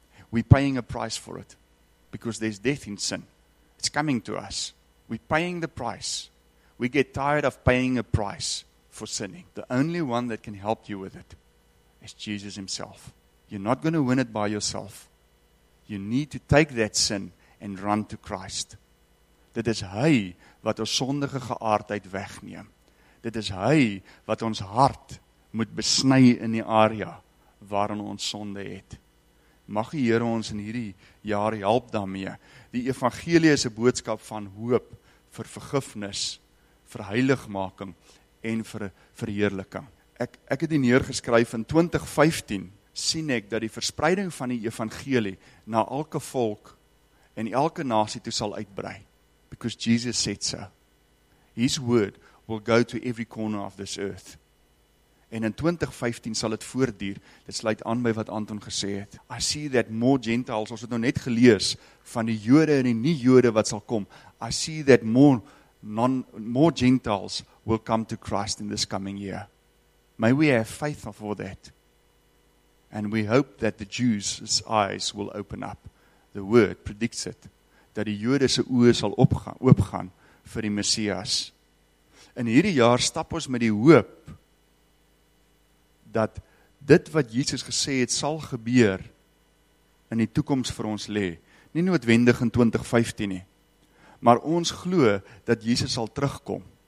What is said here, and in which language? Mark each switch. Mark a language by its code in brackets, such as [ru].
[en] We paying a price for it. Because there's death in sin. It's coming to us. We paying the price. We get tired of paying a price for sinning. The only one that can help you with it is Jesus himself. You're not going to win it by yourself. You need to take that sin and run to Christ. [af] Dit is hy wat ons sondige geaardheid wegneem. Dit is hy wat ons hart moet besny in die area waarin ons sonde het. Mag die Here ons in hierdie jaar help daarmee. Die evangelie is 'n boodskap van hoop vir vergifnis, vir heiligmaking en vir verheerliking. Ek het dit neergeskryf in 2015 sien ek dat die verspreiding van die evangelie na elke volk en elke nasie toe sal uitbrei. [en] Because Jesus said so. His word will go to every corner of this earth. [af] En in 2015 sal het voortduur, dit sluit aan by wat Anton gesê het. [en] I see that more Gentiles, [af] ons het nou net gelees, van die Jode en die nie-Jode wat sal kom, [en] I see that more Gentiles will come to Christ in this coming year. May we have faith for that. And we hope that the Jews' eyes will open up. The word predicts it. [af] Dat die Jode se oë sal oopgaan vir die Messias. In hierdie jaar stap ons met die hoop dat dit wat Jesus gesê het sal gebeur in die toekoms vir ons lê. Nie noodwendig in 2015 nie. Maar ons glo dat Jesus sal terugkom.